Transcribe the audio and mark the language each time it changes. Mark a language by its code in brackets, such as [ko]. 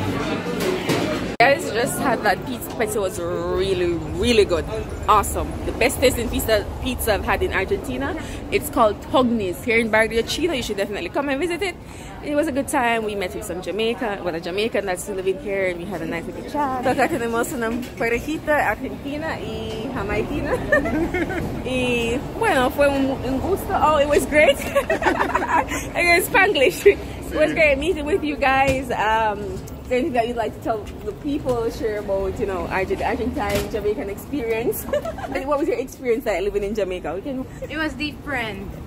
[en] You guys just had that pizza. Pizza was really, really good. Awesome. The best tasting pizza I've had in Argentina. It's called Tognis. Here in Barrio Chino, you should definitely come and visit it. It was a good time. We met with some Jamaican that's living here, and we had a nice little chat. [es] Acá tenemos una parejita argentina y jamaicana. Y bueno, fue un gusto. [en] Oh, it was great. I guess Spanglish. It was great meeting with you guys. anything that you'd like to tell the people, share about, you know, Argentine, Jamaican experience. What was your experience like living in Jamaica? It was different.